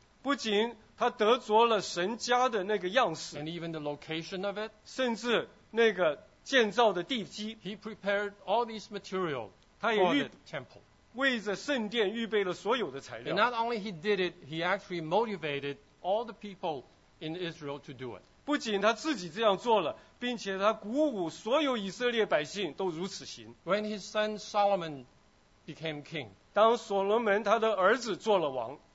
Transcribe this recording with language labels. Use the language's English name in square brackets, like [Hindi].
[Chinese] 不仅他得着了神家的那个样式， [English] and even the location of it, [Chinese] 甚至那个建造的地基， [English] he prepared all these material, [Chinese] 他也预备为着圣殿预备了所有的材料。 [English] And not only he did it, he actually motivated all the people in Israel to do it. [Chinese] 不仅他自己这样做了，并且他鼓舞所有以色列百姓都如此行。 [English] When his son Solomon became king. [Chinese] 当所罗门他的儿子做了王。